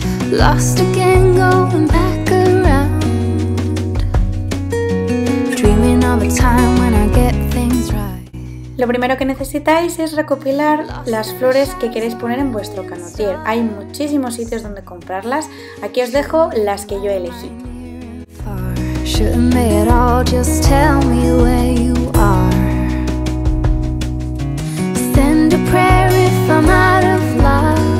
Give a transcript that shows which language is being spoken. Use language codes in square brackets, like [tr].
[en] lost again, going back around. Dreaming all the time when I get things right. [es] Lo primero que necesitáis es recopilar las flores que queréis poner en vuestro canutier. Hay muchísimos sitios donde comprarlas. Aquí os dejo las que yo elegí. [en] Shouldn't they at all just tell me where you are? Send a prayer if I'm out of luck.